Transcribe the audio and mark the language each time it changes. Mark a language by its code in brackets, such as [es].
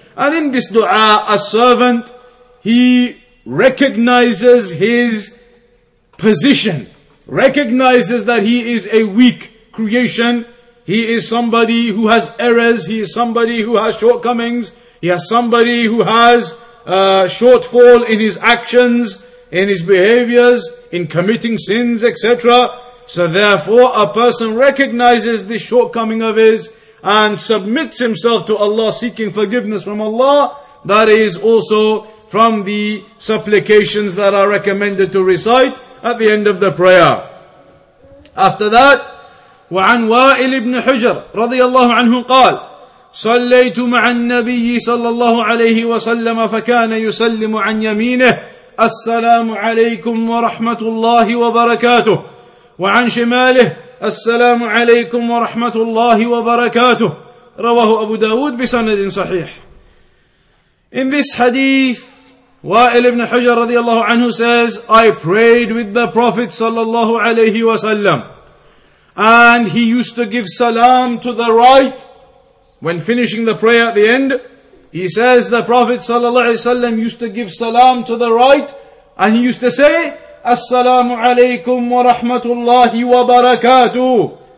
[en] And in this dua, a servant, he recognizes his position, recognizes that he is a weak creation, he is somebody who has errors, he is somebody who has shortcomings, he has somebody who has shortfall in his actions, in his behaviors, in committing sins, etc. So therefore a person recognizes this shortcoming of his and submits himself to Allah, seeking forgiveness from Allah. That is also from the supplications that are recommended to recite at the end of the prayer. After that, [ar] وعن وائل بن حجر رضي الله عنه قال صليت مع النبي صلى الله عليه وسلم فكان يسلم عن يمينه السلام عليكم ورحمة الله وبركاته وعن شماله السلام عليكم ورحمة الله وبركاته رواه أبو داود بسند صحيح. [en] In this hadith, Wa'il ibn Hajar radiallahu anhu says, I prayed with the Prophet sallallahu alayhi wa sallam, and he used to give salam to the right. When finishing the prayer at the end, he says the Prophet sallallahu alayhi wa sallam used to give salam to the right, and he used to say, As-salamu alaykum wa rahmatullahi wa barakatuh.